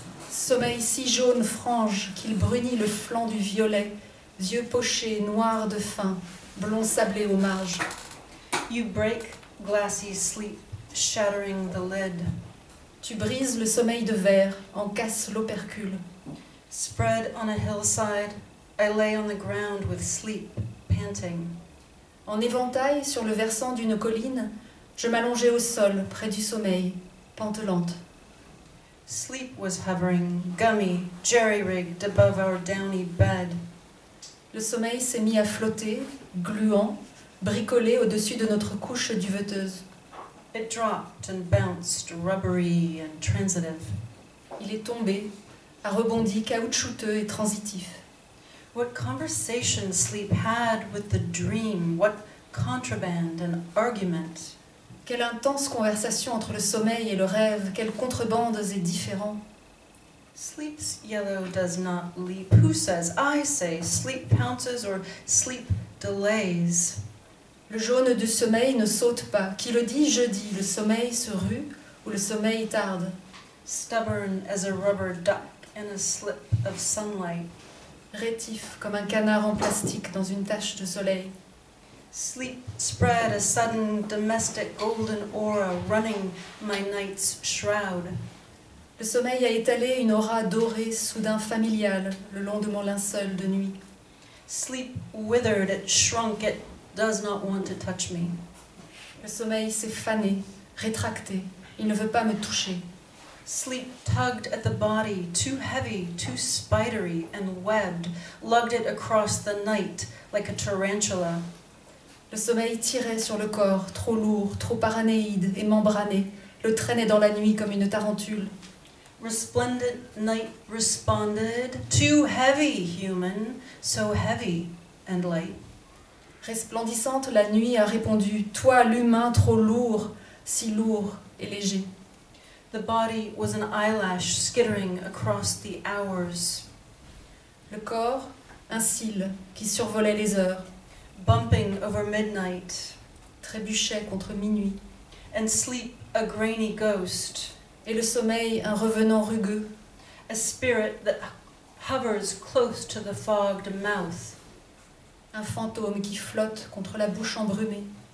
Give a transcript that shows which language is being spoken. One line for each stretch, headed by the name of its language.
French: Sommeil si jaune, frange, qu'il brunit le flanc du violet, yeux pochés, noirs de faim, blond sablé aux marges.
English: You break glassy sleep, shattering the lid.
French: Tu brises le sommeil de verre, en casse l'opercule.
English: Spread on a hillside, I lay on the ground with sleep, panting.
French: En éventail, sur le versant d'une colline, je m'allongeais au sol, près du sommeil, pantelante.
English: Sleep was hovering, gummy, jerry-rigged above our downy bed.
French: Le sommeil s'est mis à flotter, gluant, bricolé au-dessus de notre couche duveteuse.
English: It dropped and bounced, rubbery and transitive.
French: Il est tombé, a rebondi, caoutchouteux et transitif.
English: What conversation sleep had with the dream, what contraband and argument.
French: Quelle intense conversation entre le sommeil et le rêve, quelles contrebandes et différents.
English: Sleep's yellow does not leap. Who says? I say, sleep pounces or sleep delays.
French: Le jaune du sommeil ne saute pas. Qui le dit, je dis. Le sommeil se rue ou le sommeil tarde.
English: Stubborn as a rubber duck in a slip of sunlight.
French: Rétif comme un canard en plastique dans une tache de soleil.
English: Sleep spread a sudden domestic golden aura running my night's shroud.
French: Le sommeil a étalé une aura dorée soudain familiale le long de mon linceul de nuit.
English: Sleep withered, it shrunk, it does not want to touch me.
French: Le sommeil s'est fané, rétracté, il ne veut pas me toucher.
English: Sleep tugged at the body, too heavy, too spidery and webbed, lugged it across the night like a tarantula.
French: Le sommeil tirait sur le corps, trop lourd, trop paranéide et membrané, le traînait dans la nuit comme une tarentule.
English: Resplendent night responded, too heavy, human, so heavy and light.
French: Resplendissante, la nuit a répondu, toi, l'humain, trop lourd, si lourd et léger.
English: The body was an eyelash skittering across the hours.
French: Le corps, un cil qui survolait les heures.
English: Bumping over midnight.
French: Trébuchait contre minuit.
English: And sleep, a grainy ghost.
French: Et le sommeil, un revenant rugueux.
English: A spirit that hovers close to the fogged mouth.
French: Un fantôme qui flotte contre la bouche embrumée.